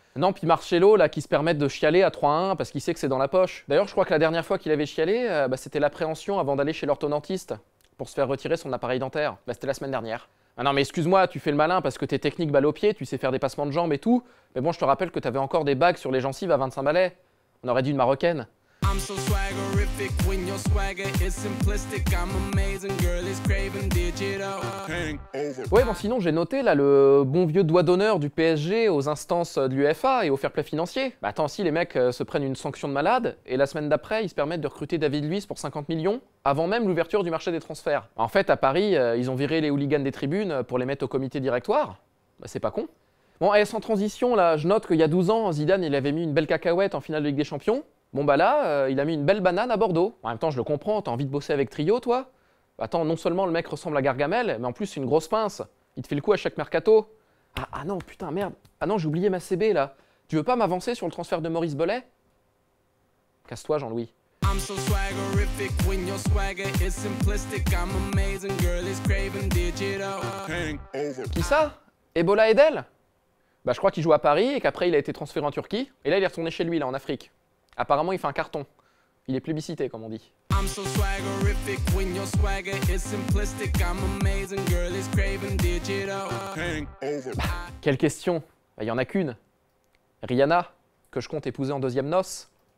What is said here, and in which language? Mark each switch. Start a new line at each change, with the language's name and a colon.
French: Non, puis Marcelo, là, qui se permet de chialer à 3-1 parce qu'il sait que c'est dans la poche. D'ailleurs, je crois que la dernière fois qu'il avait chialé, bah, c'était l'appréhension avant d'aller chez l'orthodontiste pour se faire retirer son appareil dentaire. Bah, c'était la semaine dernière. Ah non mais excuse-moi, tu fais le malin parce que t'es technique balle au pied, tu sais faire des passements de jambes et tout. Mais bon, je te rappelle que t'avais encore des bagues sur les gencives à 25 balais. On aurait dit une marocaine.
English: I'm so swaggerific when your swagger is simplistic. I'm amazing, girl, it's craving digital.
French: Ouais, bon sinon j'ai noté là le bon vieux doigt d'honneur du PSG aux instances de l'UEFA et au fair play financier. Bah attends, si les mecs se prennent une sanction de malade et la semaine d'après ils se permettent de recruter David Luiz pour 50 millions avant même l'ouverture du marché des transferts. En fait, à Paris, ils ont viré les hooligans des tribunes pour les mettre au comité directoire. Bah c'est pas con. Bon, et sans transition là, je note qu'il y a 12 ans, Zidane il avait mis une belle cacahuète en finale de Ligue des Champions. Bon bah là, il a mis une belle banane à Bordeaux. En même temps, je le comprends, t'as envie de bosser avec Trio, toi? Attends, non seulement le mec ressemble à Gargamel, mais en plus, c'est une grosse pince. Il te fait le coup à chaque mercato. Ah non, putain, merde. Ah non, j'ai oublié ma CB, là. Tu veux pas m'avancer sur le transfert de Maurice Bellet? Casse-toi, Jean-Louis.
English: I'm so swaggerific when your swagger is simplistic. I'm amazing, girl, it's craving digital.
French: Qui ça? Ebola Edel? Bah, je crois qu'il joue à Paris et qu'après, il a été transféré en Turquie. Et là, il est retourné chez lui, là, en Afrique. Apparemment, il fait un carton. Il est plébiscité, comme on dit.
English: I'm so swaggerific when your swagger is simplistic. I'm amazing, girl, it's craving digital.
French: Bah, quelle question. Bah, y en a qu'une. Rihanna, que je compte épouser en deuxième noce.